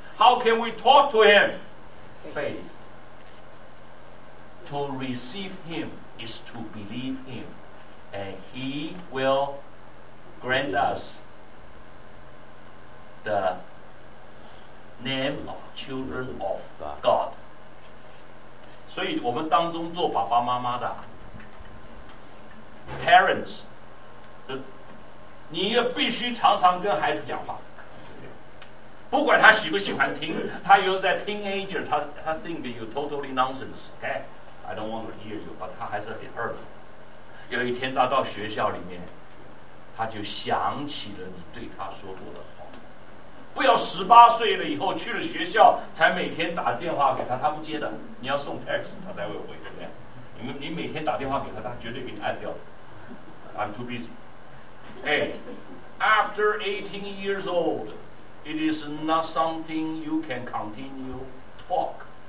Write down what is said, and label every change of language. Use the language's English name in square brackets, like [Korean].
[English] How can we talk to him? Faith. To receive him is to believe him. And he will grant us the name of children of God. [Chinese] 所以我们当中做爸爸妈妈的 Parents,你也必须常常跟孩子讲话，不管他喜不喜欢听。他又在 [English] teenager， 他 think you totally nonsense， OK， I don't want to hear you， but [Chinese] 他还是很 [English] hurt。 [Chinese] 有一天他到学校里面，他就想起了你对他说过的话。不要十八岁了以后去了学校才每天打电话给他，他不接的，你要送 text 他才会回，对不对？你每天打电话给他，他绝对给你按掉。 [English] I'm too busyAfter 18 years old, it is not something you can continue talk.